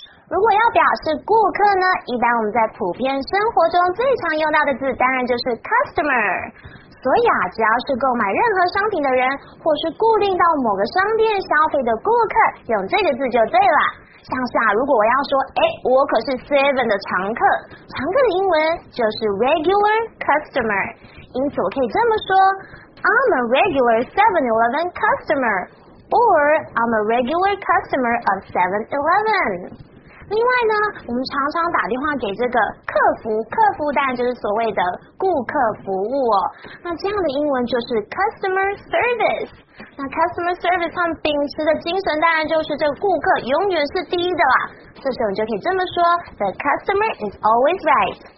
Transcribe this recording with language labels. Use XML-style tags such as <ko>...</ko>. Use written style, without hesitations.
<zh>如果要表示顾客呢，一般我们在普遍生活中最常用到的字，当然就是 customer。所以啊，只要是购买任何商品的人，或是固定到某个商店消费的顾客，用这个字就对了。像是啊，如果我要说，哎，我可是 Seven 的常客，常客的英文就是 regular customer。因此，我可以这么说 ：</zh> <en>I'm a regular 7-Eleven customer， or I'm a regular customer of 7-Eleven。</en> <zh>另外呢，我们常常打电话给这个客服，客服当然就是所谓的顾客服务哦。那这样的英文就是 customer service。那 customer service 他们秉持的精神当然就是这个顾客永远是第一的啦。这时候你就可以这么说 ，</zh> <en>the customer is always right。</en>